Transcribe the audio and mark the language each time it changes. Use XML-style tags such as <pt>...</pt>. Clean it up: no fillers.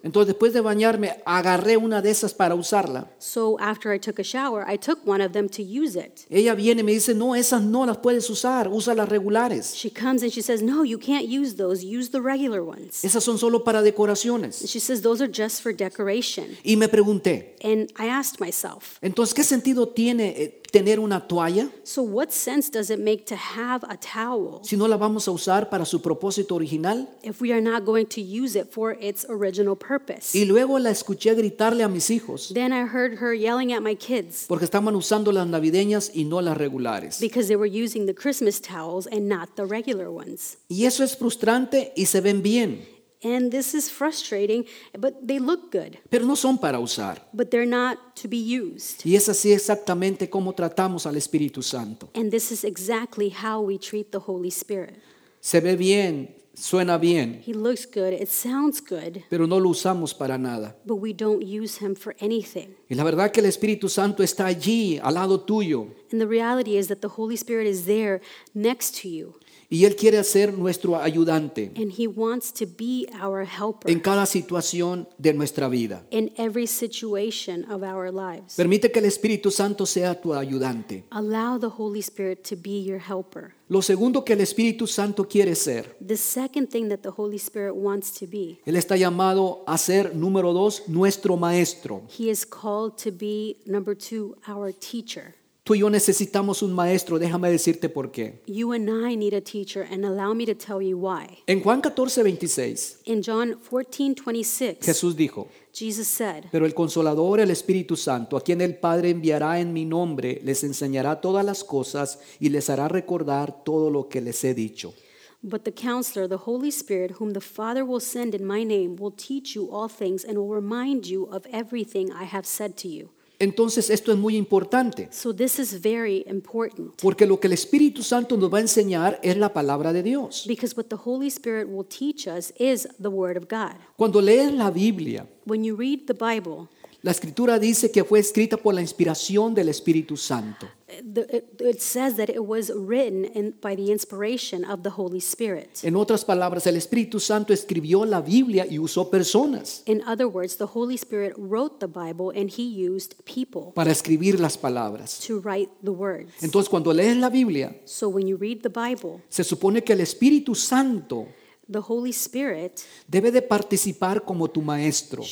<es>Entonces después de bañarme agarré una de esas para usarla.</es> <en>So after I took a shower, I took one of them to use it.</en> <es>Ella viene y me dice, no, esas no las puedes usar, usa las regulares.</es> <en>She comes and she says, no, you can't use those, use the regular ones.</en> <es>Esas son solo para decoraciones.</es> <en>She says, those are just for decoration.</en> <es>Y me pregunté,</es> <en>and I asked myself,</en> <es>entonces, ¿qué sentido tiene tener una toalla?</es> <en>So what sense does it make to have a towel?</en> <es>Si no la vamos a usar para su propósito original?</es> <en>If we are not going to use it for its original purpose.</en> <es>Y luego la escuché gritarle a mis hijos.</es> <en>Then I heard her yelling at my kids.</en> <es>Porque estaban usando las navideñas y no las regulares.</es> <en>Because they were using the Christmas towels and not the regular ones.</en> <es>Y eso es frustrante y se ven bien.</es> <en>And this is frustrating, but they look good.</en> <es>Pero no son para usar.</es> <en>But they're not to be used.</en> <es>Y es así exactamente como tratamos al Espíritu Santo.</es> <en>And this is exactly how we treat the Holy Spirit.</en> <es>Se ve bien, suena bien.</es> <en>He looks good, it sounds good.</en> <es>Pero no lo usamos para nada.</es> <en>But we don't use him for anything.</en> <es>Y la verdad que el Espíritu Santo está allí, al lado tuyo.</es> <en>And the reality is that the Holy Spirit is there next to you.</en> <es>Y Él quiere ser nuestro ayudante.</es> <en>And he wants to be our helper.</en> <es>En cada situación de nuestra vida.</es> <en>In every situation of our lives.</en> <es>Permite que el Espíritu Santo sea tu ayudante.</es> <en>Allow the Holy Spirit to be your helper.</en> <es>Lo segundo que el Espíritu Santo quiere ser.</es> <en>The second thing that the Holy Spirit wants to be.</en> <es>Él está llamado a ser, número dos, nuestro maestro.</es> <en>He is called to be, number two, our teacher.</en> <es>Tú y yo necesitamos un maestro, déjame decirte por qué.</es> <en>You and I need a teacher, and allow me to tell you why.</en> <es>En Juan 14:26.</es> <en>In John 14:26.</en> <es>Jesús dijo.</es> <en>Jesus said.</en> <es>Pero el Consolador, el Espíritu Santo, a quien el Padre enviará en mi nombre, les enseñará todas las cosas y les hará recordar todo lo que les he dicho.</es> <en>But the Counselor, the Holy Spirit, whom the Father will send in my name, will teach you all things and will remind you of everything I have said to you.</en> <es>Entonces esto es muy importante.</es> <en>So this is very important.</en> <es>Porque lo que el Espíritu Santo nos va a enseñar es la palabra de Dios.</es> <en>Because what the Holy Spirit will teach us is the word of God.</en> <es>Cuando lees la Biblia,</es> <en>when you read the Bible,</en> <es>la Escritura dice que fue escrita por la inspiración del Espíritu Santo.</es> <en>It says that it was written by the inspiration of the Holy Spirit.</en> <es>En otras palabras, el Espíritu Santo escribió la Biblia y usó personas.</es> <en>In other words, the Holy Spirit wrote the Bible and he used people.</en> <es>Para escribir las palabras.</es> <en>To write the words.</en> <es>Entonces, cuando lees la Biblia,</es> <en>so when you read the Bible,</en> <es>se supone que el Espíritu Santo,</es> <en>the Holy Spirit,</en> <es>debe de participar como tu maestro.</es>